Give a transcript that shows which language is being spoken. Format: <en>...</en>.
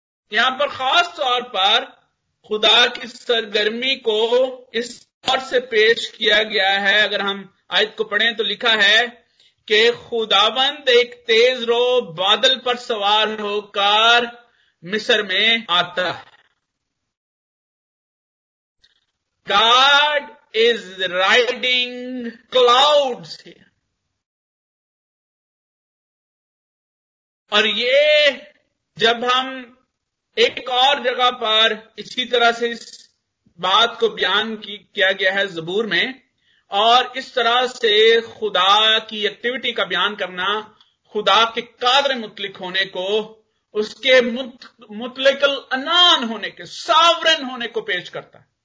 <ur>یہاں پر خاص طور پر خدا کی سرگرمی کو اس طور سے پیش کیا گیا ہے. اگر ہم آیت کو پڑھیں تو لکھا ہے کہ خداوند ایک تیز رو بادل پر سوار ہو کر مصر میں آتا ہے.</ur> <en>God is riding clouds here.</en> <ur>اور یہ جب ہم ایک اور جگہ پر اسی طرح سے اس بات کو بیان کیا گیا ہے زبور میں, اور اس طرح سے خدا کی ایکٹیویٹی کا بیان کرنا خدا کے قادر مطلق ہونے کو, اس کے مطلق الانان ہونے کے, ساورن ہونے کو پیش کرتا ہے.</ur>